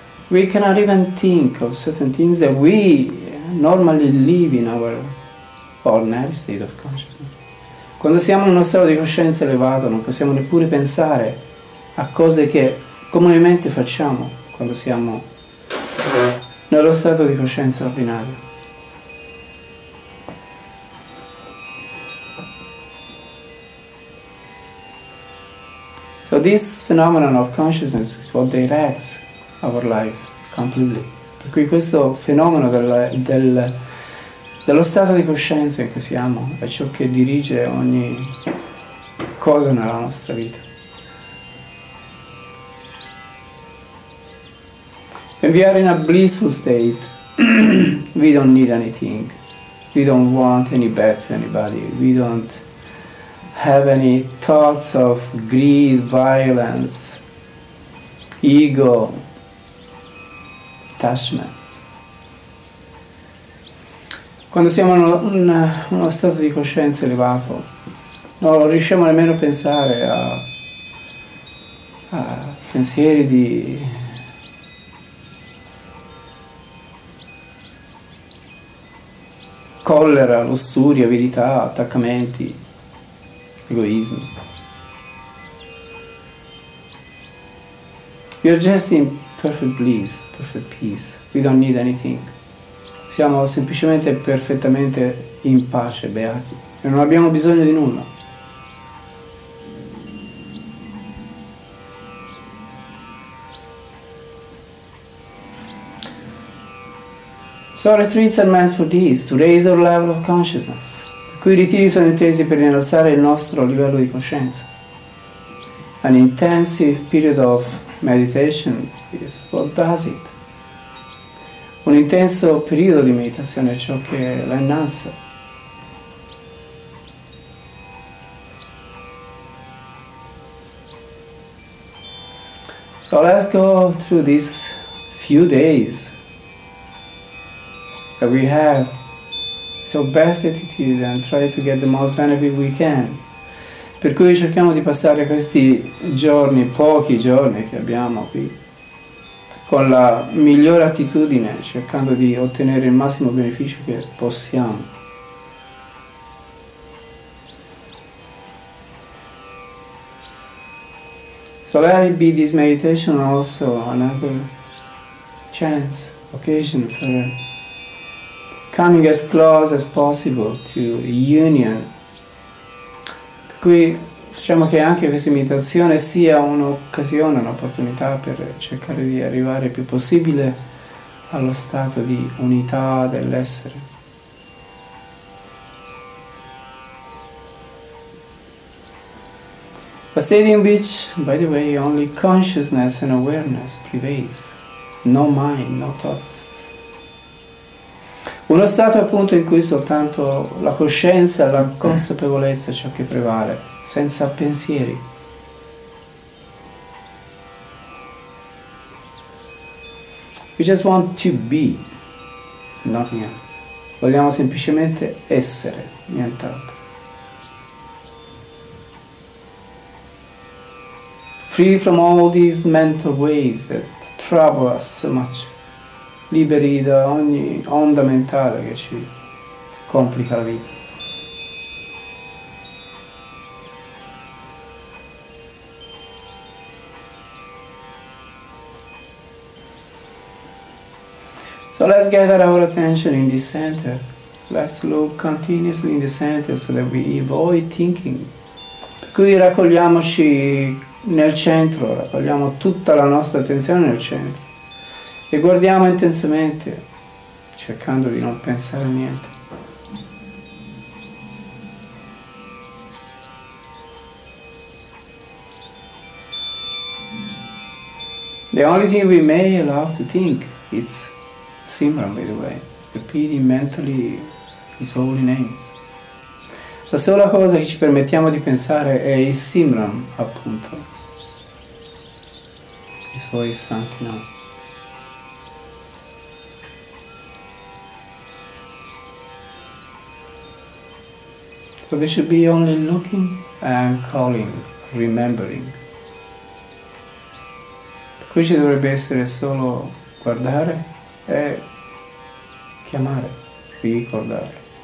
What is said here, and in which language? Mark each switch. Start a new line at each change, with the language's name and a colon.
English: We cannot even think of certain things that we normally live in our ordinary state of consciousness.
Italian: Quando siamo in uno stato di coscienza elevato, non possiamo neppure pensare a cose che comunemente facciamo quando siamo nello stato di coscienza ordinario.
English: So this phenomenon of consciousness is what directs our life completely.
Italian: Per cui questo fenomeno del dallo stato di coscienza in cui siamo, è ciò che dirige ogni cosa nella nostra vita.
English: And we are in a blissful state. We don't need anything. We don't want any bad to anybody. We don't have any thoughts of greed, violence, ego, attachments.
Italian: Quando siamo in uno stato di coscienza elevato, non riusciamo nemmeno a pensare a pensieri di collera, lussuria, avidità, attaccamenti, egoismi.
English: We are just in perfect bliss, perfect peace. We don't need anything.
Italian: Siamo semplicemente perfettamente in pace, beati. E non abbiamo bisogno di nulla.
English: So retreats are meant for this, to raise our level of consciousness.
Italian: Qui i ritiri sono intesi per innalzare il nostro livello di coscienza.
English: An intensive period of meditation is what does it.
Italian: Un intenso periodo di meditazione è ciò che la innalza.
English: So let's go through these few days that we have the best attitude and try to get the most benefit we can.
Italian: Per cui cerchiamo di passare questi giorni, pochi giorni che abbiamo qui, con la migliore attitudine, cercando di ottenere il massimo beneficio che possiamo.
English: So let it be this meditation also another chance, occasion for coming as close as possible to union.
Italian: Qui facciamo che anche questa meditazione sia un'occasione, un'opportunità per cercare di arrivare il più possibile allo stato di unità dell'essere.
English: A state in which, by the way, only consciousness and awareness prevails, no mind, no thoughts.
Italian: Uno stato appunto in cui soltanto la coscienza e la consapevolezza è ciò che prevale, senza pensieri.
English: We just want to be, nothing else.
Italian: Vogliamo semplicemente essere, nient'altro.
English: Free from all these mental waves that trouble us so much.
Italian: Liberi da ogni onda mentale che ci complica la vita.
English: So let's gather our attention in the center. Let's look continuously in the center so that we avoid thinking.
Italian: Per cui raccogliamoci nel centro, raccogliamo tutta la nostra attenzione nel centro. E guardiamo intensamente, cercando di non pensare a niente.
English: The only thing we may allow to think is Simran, by the way, repeating mentally his holy names.
Italian: La sola cosa che ci permettiamo di pensare è il Simran, appunto, i suoi santi nomi.
English: So we should be only looking and calling, remembering.
Italian: Qui ci dovrebbe essere solo guardare e chiamare, ricordare.